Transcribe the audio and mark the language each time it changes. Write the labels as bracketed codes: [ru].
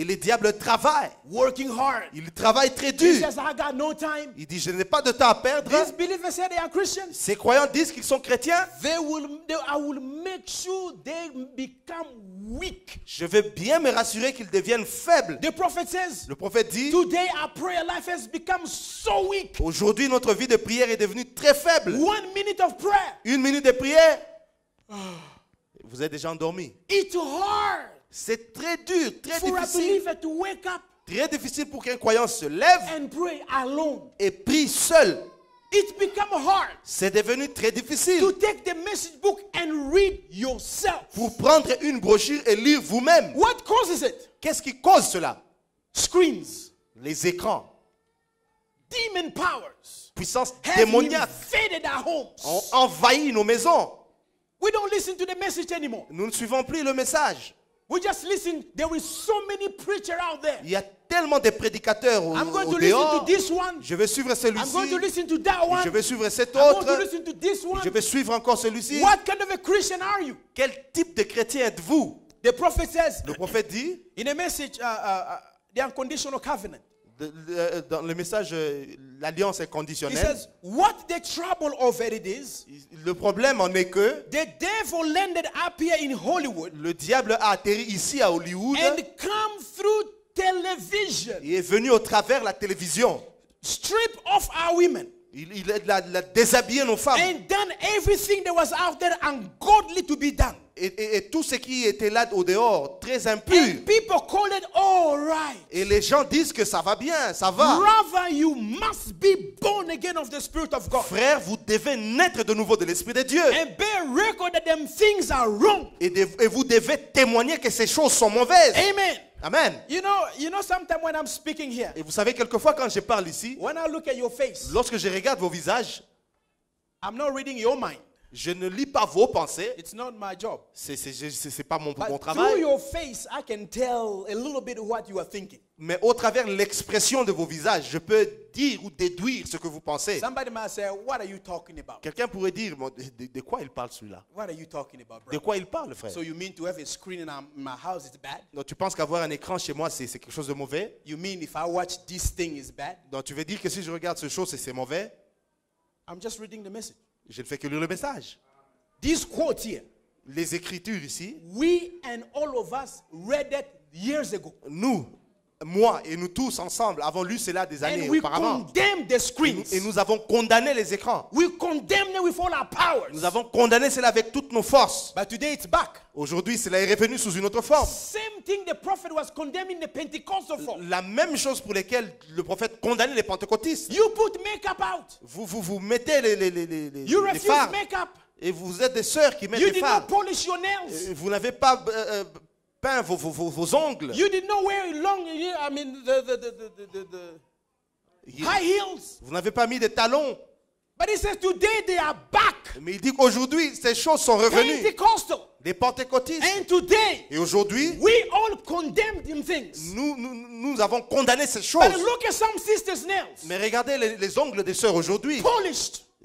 [fr] Et le diable travaille. [en] Working hard. [fr] Il travaille très dur. [en] He says, I got no time. [fr] Il dit, je n'ai pas de temps à perdre. [en] These believers say they are Christians. [fr] Ces croyants disent qu'ils sont chrétiens. [en] I will make sure they become weak. [fr] Je vais bien me rassurer qu'ils deviennent faibles. [en] The prophet says, [fr] le prophète dit, [en] today our prayer life has become so weak. [fr] Aujourd'hui, notre vie de prière est devenue très faible. [en] 1 minute of prayer. [fr] Une minute de prière. Vous êtes déjà endormi. [en] It's hard. [fr] C'est très dur, très [en] for [fr] difficile. [en] A believer to wake up. [fr] Très difficile pour qu'un croyant se lève. [en] And pray alone. [fr] Et prie seul. [en] It's become hard. [fr] C'est devenu très difficile. [en] To take the message book and read yourself. [fr] Pour prendre une brochure et lire vous-même. [en] What causes it? [fr] Qu'est-ce qui cause cela? [en] Screens. [fr] Les écrans. [en] Demon powers. [fr] Puissance démoniaque. [en] Have invaded our homes. [fr] Ont envahi nos maisons. [en] We don't listen to the message anymore. [fr] Nous ne suivons plus le message. [en] We just listen. There is so many preachers out there. [fr] Il y a tellement de prédicateurs au dehors. [en] I'm going to [fr] dehors. [en] Listen to this one. [fr] Je vais suivre celui-ci. [en] I'm going to listen to that one. [fr] Je vais suivre cet autre. [en] I'm going to listen to this one. [fr] Je vais suivre encore celui-ci. [en] What kind of a Christian are you? [fr] Quel type de chrétien êtes-vous? [en] The prophet says. [fr] Le prophète dit. [en] In a message, the unconditional covenant. [fr] Dans le message, l'alliance est conditionnelle. [en] He says, what the trouble of it is, [fr] le problème en est que [en] the devil landed up here in Hollywood, [fr] le diable a atterri ici à Hollywood [en] and come through television, [fr] et est venu au travers la télévision. [en] Strip off our women. [fr] Il a déshabillé nos femmes. [en] And done everything that was out there ungodly to be done. [fr] Et tout ce qui était là au dehors, très impur. [en] And people call it all right. [fr] Et les gens disent que ça va bien, ça va. [en] Brother, you must be born again of the Spirit of God. [fr] Frère, vous devez naître de nouveau de l'Esprit de Dieu. [en] And bear record that them things are wrong. [fr] Et vous devez témoigner que ces choses sont mauvaises. [en] Amen. [fr] Amen. [en] You know sometimes when I'm speaking here. [fr] Et vous savez quelquefois quand je parle ici. [en] When I look at your face. [fr] Lorsque je regarde vos visages. [en] I'm not reading your mind. [fr] Je ne lis pas vos pensées. [en] It's not my job. [fr] C'est pas mon travail. [en] Through your face, I can tell a little bit what you are thinking. [fr] Mais au travers l'expression de vos visages, je peux dire ou déduire ce que vous pensez. [en] Somebody might say, what are you talking about? [fr] Quelqu'un pourrait dire, de quoi il parle celui-là? [en] What are you talking about, bro? [fr] De quoi il parle, frère? [en] So you mean to have a screen in my house is bad? [fr] Donc tu penses qu'avoir un écran chez moi c'est quelque chose de mauvais? [en] You mean if I watch this thing is bad? [fr] Donc tu veux dire que si je regarde ce chose c'est mauvais? [en] I'm just reading the message. [fr] Je ne fais que lire le message. [en] This quote here, [fr] les écritures ici. [en] We and all of us read it years ago. [fr] Nous, moi et nous tous ensemble avons lu cela des années auparavant. [en] And we condemned the screens. [fr] Et nous avons condamné les écrans. [en] We condemned it with all our powers. [fr] Nous avons condamné cela avec toutes nos forces. [en] But today it's back. [fr] Aujourd'hui, cela est revenu sous une autre forme. [en] Same thing the prophet was condemning the Pentecostal form. [fr] La même chose pour laquelle le prophète condamnait les pentecôtistes. [en] You put makeup out. [fr] Vous mettez les [en] you [fr] les fards. [en] Makeup. [fr] Et vous êtes des sœurs qui mettent [en] you [fr] les fards. [en] You did not polish your nails. [fr] Vous n'avez pas peint vos ongles. [en] You did not wear long, the high heels. [fr] Vous n'avez pas mis des talons. [en] But he says today they are back. [fr] Mais il dit qu'aujourd'hui ces choses sont revenues. [en] Pentecostal. [fr] Des pentecôtistes. [en] And today. [fr] Et aujourd'hui. [en] We all condemned them things. [fr] Nous avons condamné ces choses. [en] But look at some sisters' nails. [fr] Mais regardez les ongles des sœurs aujourd'hui. [en] Polished.